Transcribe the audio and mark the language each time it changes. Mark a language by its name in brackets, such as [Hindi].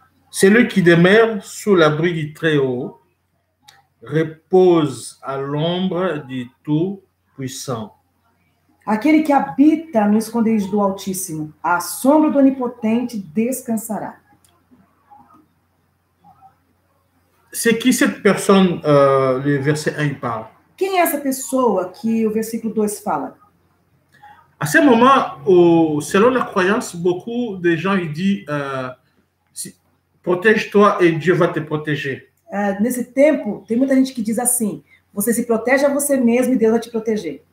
[French] Celui qui demeure sous l'abri du Très-Haut repose à l'ombre du Tout-Puissant. [Portuguese] Aquele que habita no esconderijo do Altíssimo, à sombra do Onipotente, descansará. [French] C'est qui cette personne, le verset 1 parle? [Portuguese] Quem é essa pessoa que o versículo 2 fala? [French] À ce moment, selon la croyance, beaucoup de gens disent protège-toi et Dieu va te protéger. [Portuguese] Nesse tempo, tem muita gente que diz assim: você se protege a você mesmo e Deus vai te proteger.